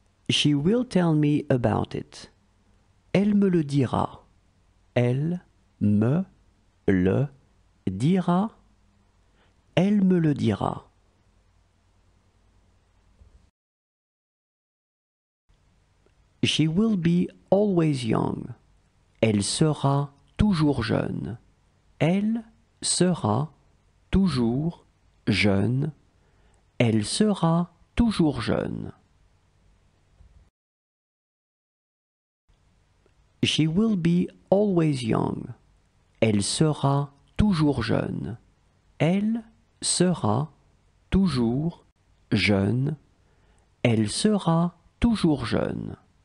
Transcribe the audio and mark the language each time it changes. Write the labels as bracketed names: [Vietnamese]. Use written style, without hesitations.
[English] She will tell me about it. [French] Elle me le dira. Elle me le dira. Elle me le dira. [English] She will be always young. [French] Elle sera toujours jeune. Elle sera toujours jeune. Elle sera toujours jeune. [English] She will be always young. [French] Elle sera toujours jeune. Elle sera toujours jeune. Elle sera toujours jeune.